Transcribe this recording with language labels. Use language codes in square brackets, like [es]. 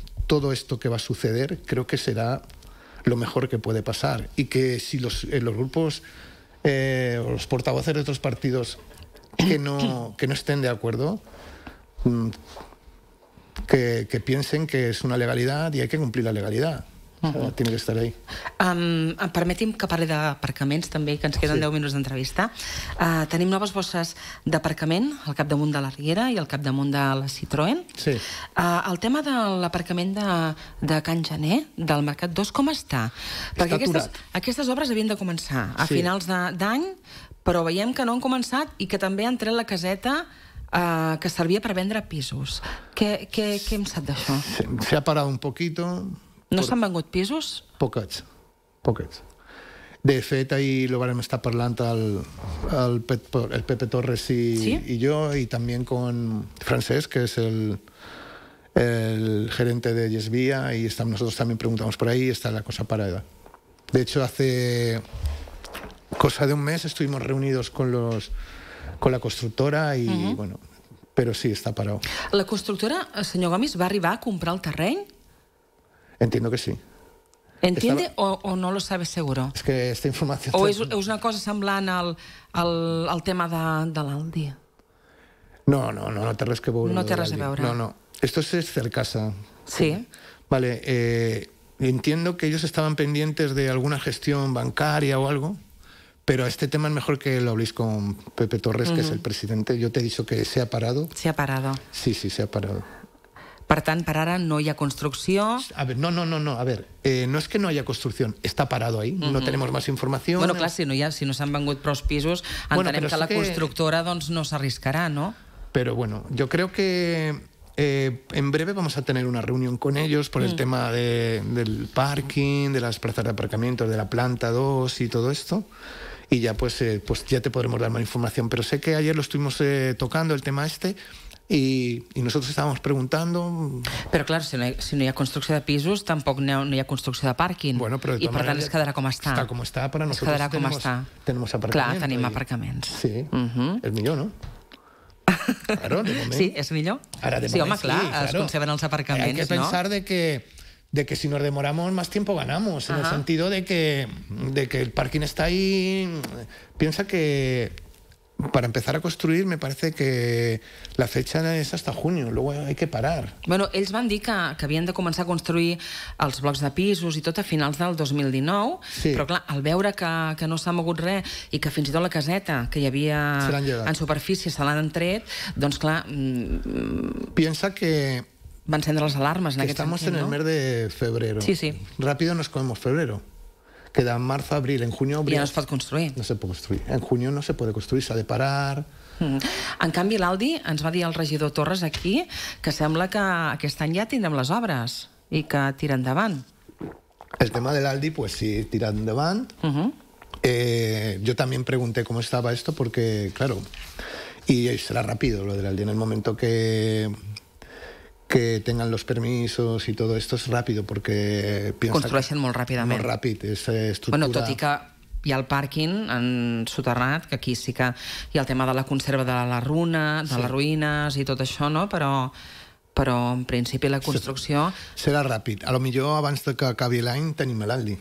[es] todo esto que va a suceder, creo que será lo mejor que puede pasar. Y que si los grupos o los portavoces de otros partidos que no estén de acuerdo, que piensen que es una legalidad y hay que cumplir la legalidad. Uh-huh. Tiene que estar ahí. [ca] Permeti'm que parli d'aparcaments també, que ens queden 10 minuts d'entrevista. Tenim noves bosses d'aparcament al capdamunt de la Riera i al capdamunt de la Citroën. Sí. El tema de l'aparcament de Can Gené, del Mercat 2, com està? Perquè està aquestes obres havien de començar a finals d'any, però veiem que no han començat i que també han tret la caseta que servia per vendre pisos. Què hem sap d'això? [es] Se ha parat un poquito. [ca] No s'han vengut pisos? Poquets. De fet, ahir lo vam estar parlant el Pepe Torres i jo, i també con Francesc, que és el gerente de Yesvía, i nosaltres també [es] preguntamos [ca] per ahí, i està la cosa parada. [es] De hecho, hace cosa de un mes estuvimos reunidos con la constructora y, uh-huh. bueno, pero sí, está parado. [ca] La constructora, el senyor Gomis, va arribar a comprar el terreny? [es] Entiendo que sí. ¿Entiende o no lo sabe seguro? Es que esta información... [ca] ¿O es una cosa semblant al tema de l'Aldi? No té res que veure. No té res a veure. [es] No. Esto es Cercasa. Sí. Vale, entiendo que ellos estaban pendientes de alguna gestión bancaria o algo, pero este tema es mejor que lo habléis con Pepe Torres, uh-huh. que es el presidente. Yo te he dicho que se ha parado. Se ha parado. Sí, se ha parado. [ca] Per tant, per ara no hi ha construcció. No és que no hi ha construcció, està [es] parado ahí, [ca] uh-huh. no tenim més informació. Bueno, clar, si no s'han vengut prou pisos, entenem que la constructora doncs no s'arriscarà, no? Però bueno, jo crec que [es] en breve vamos a tener una reunión con ellos por el uh-huh. tema del parking, de las plazas de aparcamiento, de la planta 2 y todo esto. Y ya pues ya te podremos dar más información, pero sé que ayer lo estuvimos tocando el tema este. [ca] I nosaltres estàvem preguntant... Però, clar, si no hi ha construcció de pisos, tampoc no hi ha construcció de pàrquing. Bueno, però I, per tant, es quedarà com està. Està com està, però nosaltres es quedarà com està. Tenim aparcaments. Clar, tenim aparcaments. Sí, uh-huh. és millor, no? Claro, de moment. Sí, és millor. Ara, sí, home, clar, sí, claro. Es conceben els aparcaments, [es] no? Hay que pensar de que si nos demoramos, más tiempo ganamos, uh-huh. en el sentido de que el pàrquing està ahí... Piensa que... Para empezar a construir me parece que la fecha es hasta junio, luego hay que parar. [ca] Bueno, ells van dir que havien de començar a construir els blocs de pisos i tot a finals del 2019, sí. però clar, al veure que no s'ha mogut res i que fins i tot la caseta que hi havia en superfície se l'han tret, doncs clar... [es] Piensa que... [ca] Van encendre les alarmes en aquest sentit, no? [es] Estamos en el mes de febrero. Sí, sí. Rápido nos comemos febrero. Queda en marzo, abril, en junio... [ca] Ja no es pot construir. [es] No se puede construir. En junio no se puede construir, [ca] s'ha de parar... En canvi, l'Aldi ens va dir el regidor Torres aquí que sembla que aquest any ja tindrem les obres i que tira endavant. El tema de l'Aldi, pues sí, tira endavant. Uh-huh. [es] Yo también pregunté cómo estaba esto porque, claro... Y será rápido lo del Aldi. En el momento que tengan los permisos y todo esto es rápido porque [ca] construeixen molt ràpidament. Molt ràpid, [es] esa estructura. [ca] Bueno, tot i que hi ha el pàrquing en soterrat, que aquí sí que hi ha el tema de la conserva de la runa, de sí. les ruïnes i tot això, no? Però en principi la construcció... Serà ràpid. A lo millor abans que acabi l'any tenim l'Aldi.